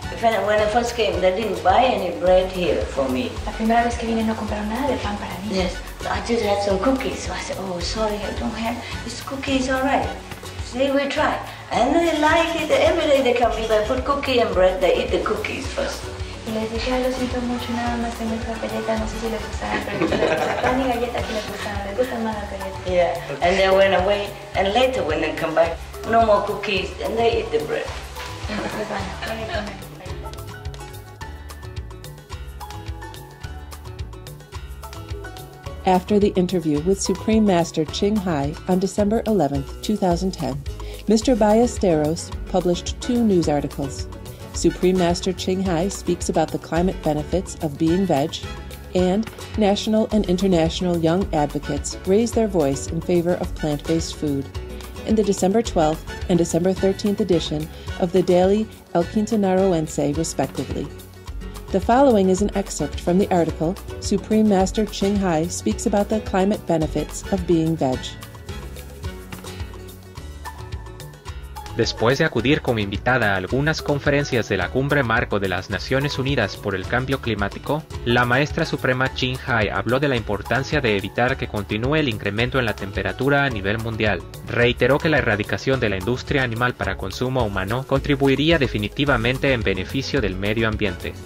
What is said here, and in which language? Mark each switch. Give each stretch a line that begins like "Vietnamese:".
English: When I first came, they didn't buy any bread here for me.
Spanish: La primera vez que vine no compraron nada de pan para mí.
English: Yes, I just had some cookies. So I said, oh, sorry, I don't have these cookies, all right. See, we try. And they like it. Every day they come, if I put cookie and bread, they eat the cookies first.
Spanish: Y les dije, lo siento mucho, nada más que nuestra galleta, no sé si les gustaba, pero pan y galleta que les gustaba, les gustan más las galletas.
English: Yeah, okay. And they went away, and later when they come back, no more cookies, and they eat the bread. After the interview with Supreme Master Ching Hai on December 11, 2010, Mr. Ballesteros published two news articles. Supreme Master Ching Hai speaks about the climate benefits of being veg, and national and international young advocates raise their voice in favor of plant-based food in the December 12th and December 13th edition of the daily El Quintanarroense, respectively. The following is an excerpt from the article, Supreme Master Ching Hai speaks about the climate benefits of being veg.
Spanish: Después de acudir como invitada a algunas conferencias de la Cumbre Marco de las Naciones Unidas por el Cambio Climático, la Maestra Suprema Ching Hai habló de la importancia de evitar que continúe el incremento en la temperatura a nivel mundial. Reiteró que la erradicación de la industria animal para consumo humano contribuiría definitivamente en beneficio del medio ambiente.